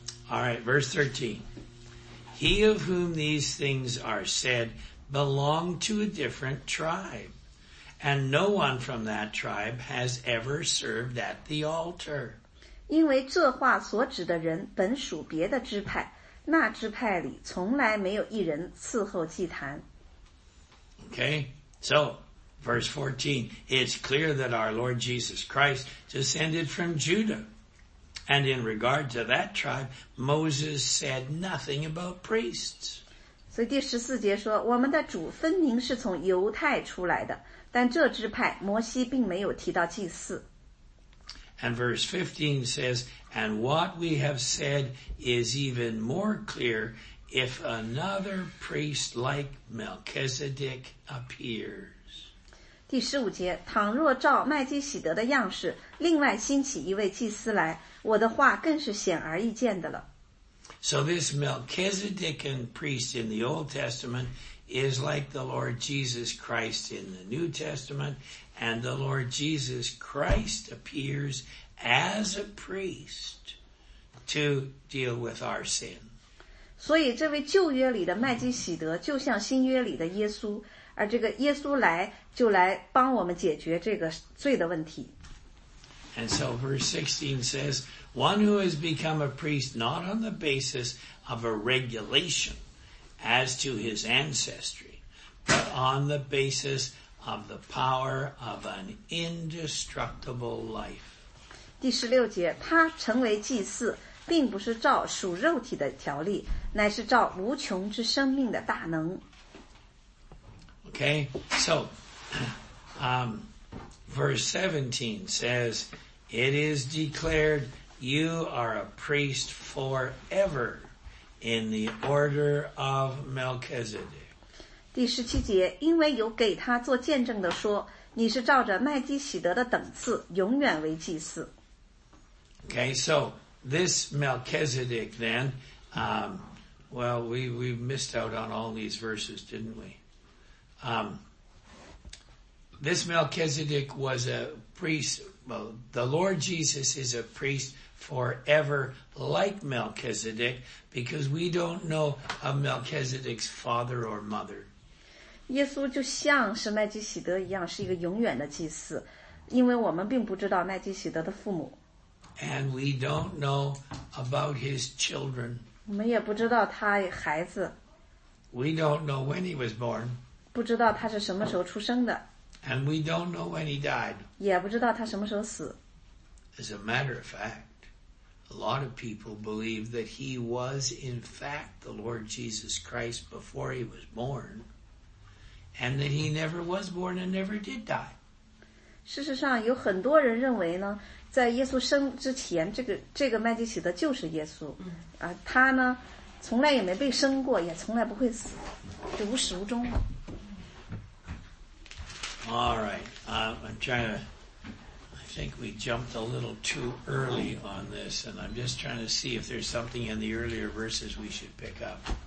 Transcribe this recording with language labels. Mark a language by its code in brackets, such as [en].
[en] All right, verse 13. He of whom these things are said belonged to a different tribe, and no one from that tribe has ever served at the altar. [zh] 因为这话所指的人本属别的支派。那支派里从来没有一人伺候祭坛。 [en] Okay, so verse 14, it's clear that our Lord Jesus Christ descended from Judah. And in regard to that tribe, Moses said nothing about priests. [zh] 所以第十四节说，我们的主分明是从犹太出来的，但这支派摩西并没有提到祭祀。 [en] And verse 15 says, and what we have said is even more clear if another priest like Melchizedek appears. [zh] 第十五节，倘若照麦基洗德的样式，另外兴起一位祭司来，我的话更是显而易见的了。 [en] So this Melchizedekan priest in the Old Testament is like the Lord Jesus Christ in the New Testament. And the Lord Jesus Christ appears as a priest to deal with our sin. [zh] 所以这位旧约里的麦基洗德就像新约里的耶稣，而这个耶稣来就来帮我们解决这个罪的问题。 [en] And so verse 16 says, one who has become a priest not on the basis of a regulation as to his ancestry, but on the basis of the power of an indestructible life. [zh] 第十六节，他成为祭祀，并不是照属肉体的条例，乃是照无穷之生命的大能。 [en] Okay, so, verse 17 says,It is declared you are a priest forever in the order of Melchizedek. [zh] 第十七节，因为有给他做见证的说，你是照着麦基洗德的等次，永远为祭司。 [en] Okay, so this Melchizedek then, well, we missed out on all these verses, didn't we? This Melchizedek was a priest... Well, the Lord Jesus is a priest forever like Melchizedek because we don't know of Melchizedek's father or mother. [zh] 耶稣就像是麦基洗德一样是一个永远的祭司因为我们并不知道麦基洗德的父母。 [en] And we don't know about his children. [zh] 我们也不知道他孩子。 [en] We don't know when he was born. [zh] 不知道他是什么时候出生的。 [en] And we don't know when he died. [zh] 也不知道他什么时候死。 [en] As a matter of fact, a lot of people believe that he was in fact the Lord Jesus Christ before he was born, and that he never was born and never did die. [zh] 事实上，有很多人认为呢，在耶稣生之前，这个麦基洗德就是耶稣，啊，他呢，从来也没被生过，也从来不会死，就无始无终了。 [en] All right, I'm trying to, I think we jumped a little too early on this, and I'm just trying to see if there's something in the earlier verses we should pick up.